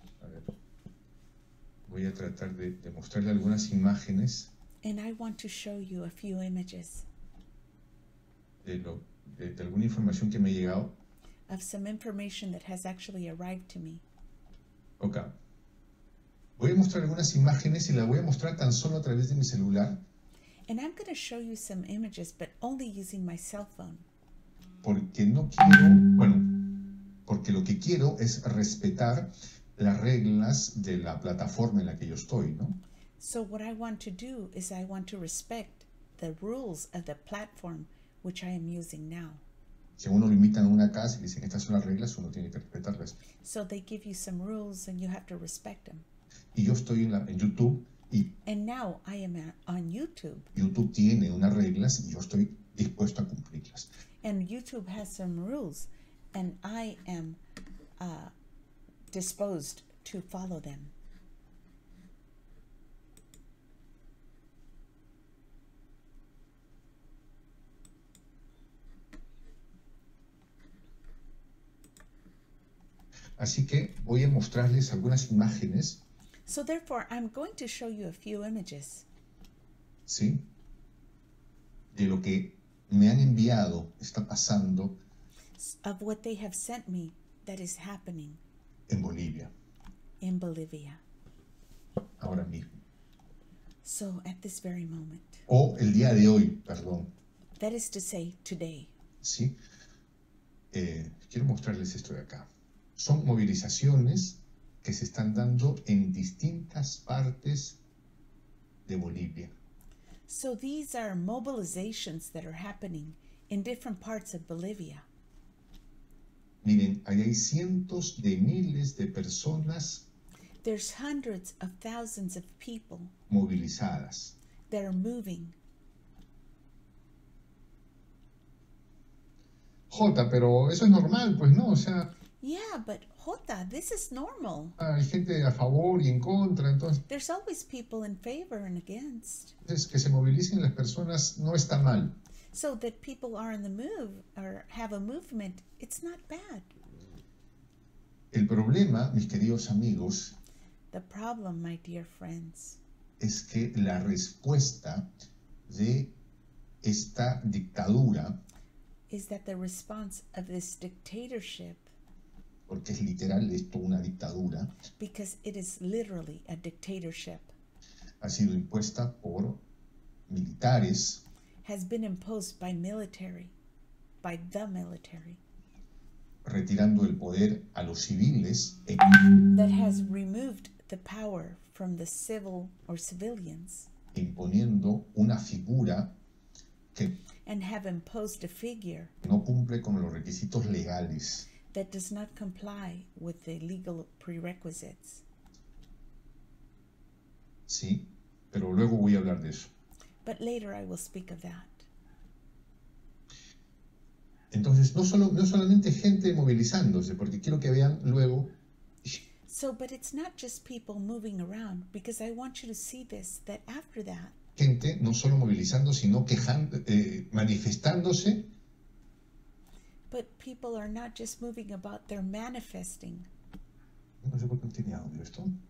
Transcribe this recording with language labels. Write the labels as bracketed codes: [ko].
[es] A ver. Voy a tratar de mostrarle algunas imágenes. [en] And I want to show you a few images. [es] De alguna información que me ha llegado. [en] Of some information that has actually arrived to me. Okay. [es] Voy a mostrar algunas imágenes y las voy a mostrar tan solo a través de mi celular. [en] And I'm going to show you some images, but only using my cell phone. [es] Porque no quiero, bueno, porque lo que quiero es respetar las reglas de la plataforma en la que yo estoy, ¿no? [en] So what I want to do is I want to respect the rules of the platform which I am using now. [es] Si uno limita en una casa y dicen estas son las reglas, uno tiene que respetarlas. [en] So they give you some rules and you have to respect them. [es] Y yo estoy en YouTube y [en] and now I am on YouTube. [es] YouTube tiene unas reglas y yo estoy dispuesto a cumplirlas. [en] And YouTube has some rules and I am disposed to follow them. [es] Así que voy a mostrarles algunas imágenes. [en] So therefore, I'm going to show you a few images. [es] Sí. De lo que me han enviado, está pasando. [en] Of what they have sent me that is happening. [es] En Bolivia. [en] In Bolivia. [es] Ahora mismo. [en] So at this very moment. [es] O el día de hoy, perdón. [en] That is to say, today. [es] Sí. Quiero mostrarles esto de acá. Son movilizaciones que se están dando en distintas partes de Bolivia. [en] So these are mobilizations that are happening in different parts of Bolivia. [es] Miren, ahí hay cientos de miles de personas. [en] There's hundreds of thousands of people [es] movilizadas. [en] That are moving. [es] Jota, pero eso es normal, pues no, o sea. [en] Yeah, but Jota, this is normal. [es] Hay gente a favor y en contra, entonces. [en] There's always people in favor and against. [es] Entonces, que se movilicen las personas no está mal. [en] So that people are in the move or have a movement, it's not bad. [es] El problema, mis queridos amigos, [en] the problem, my dear friends, [es] es que la respuesta de esta dictadura [en] is that the response of this dictatorship, [es] porque es literal esto una dictadura, [en] because it is literally a dictatorship, [es] ha sido impuesta por militares, [en] has been imposed by military, by the military, [es] retirando el poder a los civiles, [en] that has removed the power from the civil or civilians, [es] imponiendo una figura que, [en] and have imposed a figure, [es] no cumple con los requisitos legales, [en] that does not comply with the legal prerequisites. [es] Sí, pero luego voy a hablar de eso. [en] But later I will speak of that. [es] Entonces, no solamente gente movilizándose, porque quiero que vean luego. [en] So, but it's not just people moving around, because I want you to see this, that after that. [es] Gente no solo movilizando, sino quejando, manifestándose. [en] But people are not just moving about, they're manifesting. [es] No sé por qué tiene audio esto.